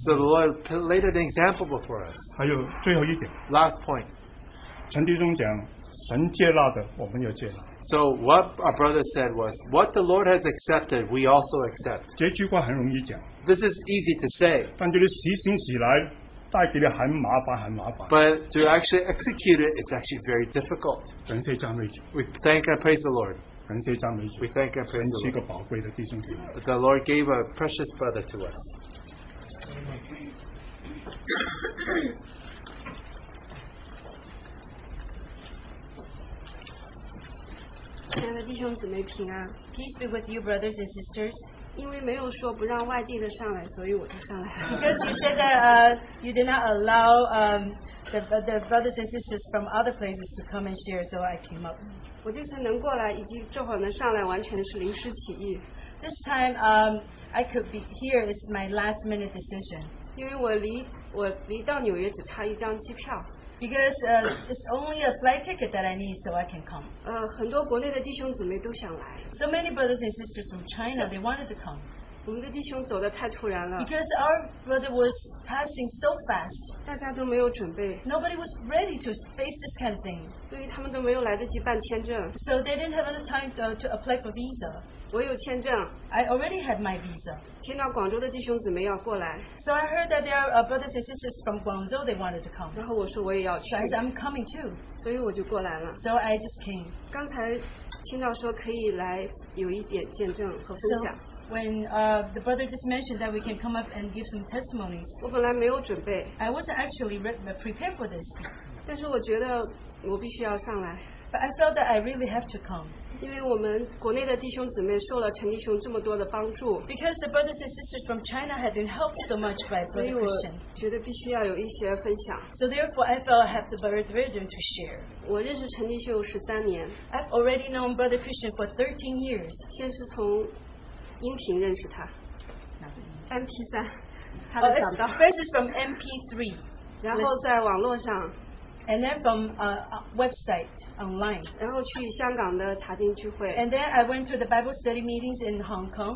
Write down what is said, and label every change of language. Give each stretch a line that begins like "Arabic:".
English: so the Lord laid an example before us.
Chinese: 还有最后一点,
English: last point.
Chinese: 陈弟兄讲, 神接纳的, 我们也接纳。
English: So what our brother said was, what the Lord has accepted, we also accept.
Chinese: 这句话很容易讲,
English: this is easy to say.
Chinese: 但就是实行起来, 带给你很麻烦,
English: but to actually execute it, it's actually very difficult.
Chinese: 感谢赞美主,
English: we thank and praise the Lord.
Chinese: 感谢赞美主,
English: we thank and praise the Lord.
Chinese: 神是一个宝贵的弟兄弟兄。
English: The Lord gave a precious brother to us. Peace be with you, brothers and sisters.
Chinese: 因为没有说不让外地的上来, 所以我就上来了。
English: Because you said that you did not allow the brothers and sisters from other places to come and share, so I came up.
Chinese: 我这次能过来, 以及这会儿能上来, 完全是临时起意。
English: This time I could be here, it's my last minute decision.
Chinese: 因为我离到纽约只差一张机票。
English: Because it's only a flight ticket that I need, so I can come.
Chinese: 很多国内的弟兄姊妹都想来。
English: So many brothers and sisters from China, they wanted to come.
Chinese: 我们的弟兄走得太突然了。
English: Because our brother was passing so fast.
Chinese: 大家都没有准备。
English: Nobody was ready to face this kind of thing.
Chinese: 所以他们都没有来得及办签证。
English: So they didn't have any time to apply for visa.
Chinese: 我有签证。
English: I already had my visa.
Chinese: 听到广州的弟兄姊妹要过来。
English: So I heard that there are brothers and sisters from Guangzhou, they wanted to come.
Chinese: 然后我说我也要去。
English: So I said, I'm coming too.
Chinese: 所以我就过来了。
English: So I just came.
Chinese: 刚才听到说可以来有一点见证和分享。
English: So, when the brother just mentioned that we can come up and give some testimonies,
Chinese: 我本来没有准备,
English: I wasn't actually prepared for this.
Chinese: 但是我觉得我必须要上来,
English: but I felt that I really have to come.
Chinese: 因为我们国内的弟兄姊妹受了陈弟兄这么多的帮助,
English: because the brothers and sisters from China had been helped so much by Brother Christian.
Chinese: 所以我觉得必须要有一些分享。
English: So therefore, I felt I have the burden to share.
Chinese: 我认识陈弟兄13年,
English: I've already known Brother Christian for 13 years.
Chinese: 先是从 音频认识他, MP3, 他的讲道,
English: first is from MP3,
Chinese: 然后在网络上,
English: and then from a website online,
Chinese: 然后去香港的查经聚会,
English: and then I went to the Bible study meetings in Hong Kong.